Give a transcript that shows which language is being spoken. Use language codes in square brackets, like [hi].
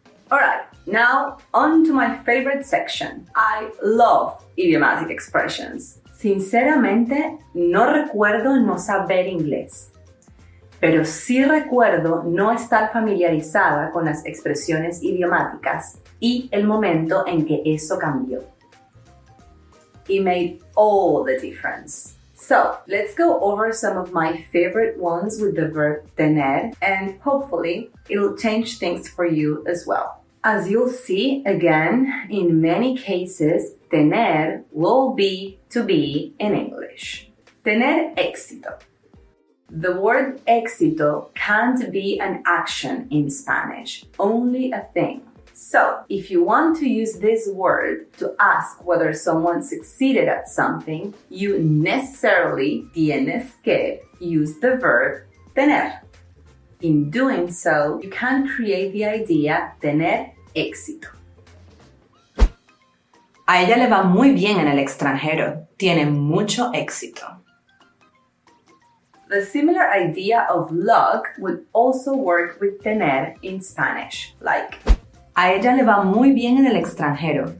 [en] Alright, now on to my favorite section. I love idiomatic expressions. [es] Sinceramente, no recuerdo no saber inglés, pero sí recuerdo no estar familiarizada con las expresiones idiomáticas y el momento en que eso cambió. [en] It made all the difference. So, let's go over some of my favorite ones with the verb tener, and hopefully it'll change things for you as well. As you'll see, again, in many cases, tener will be to be in English. [es] Tener éxito. [en] The word éxito can't be an action in Spanish, only a thing. So, if you want to use this word to ask whether someone succeeded at something, you necessarily [es] tienes que [en] use the verb tener. In doing so, you can create the idea tener éxito. [es] A ella le va muy bien en el extranjero. Tiene mucho éxito. [en] The similar idea of luck would also work with tener in Spanish, like [es] a ella le va muy bien en el extranjero.